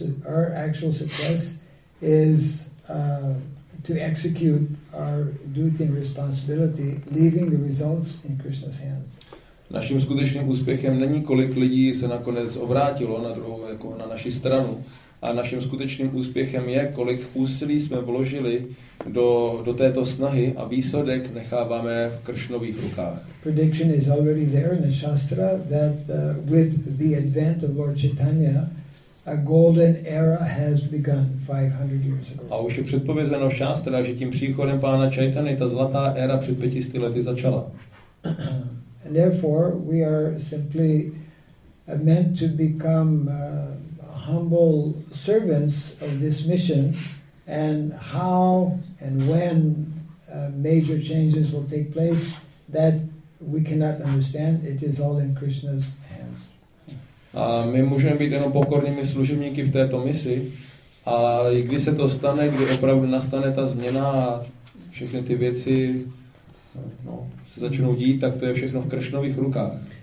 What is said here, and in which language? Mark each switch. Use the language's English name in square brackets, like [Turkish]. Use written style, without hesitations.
[English] Our actual success is to execute our duty and responsibility, leaving the results in Krishna's hands. [Czech] Naším skutečným úspěchem není, kolik lidí se nakonec obrátilo na druhou, jako na naši stranu, a naším skutečným úspěchem je, kolik úsilí jsme vložili do této snahy a výsledek necháváme v Kršnových rukách. [English] Prediction is already there in the Shastra that with the advent of Lord Chaitanya, a golden era has begun 500 years ago. [Czech] A už je předpovězeno v Shastra, že tím příchodem pána Chaitany ta zlatá éra před 500 lety začala. [English] And therefore we are simply meant to become humble servants of this mission, and how and when major changes will take place, that we cannot understand. It is all in Krishna's hands. [Czech] A my můžeme být jenom pokornými služebníky v této misi, a kdy se to stane, kdy opravdu nastane ta změna a všechny ty věci se začnou dít, tak to je všechno v Krishnových rukách.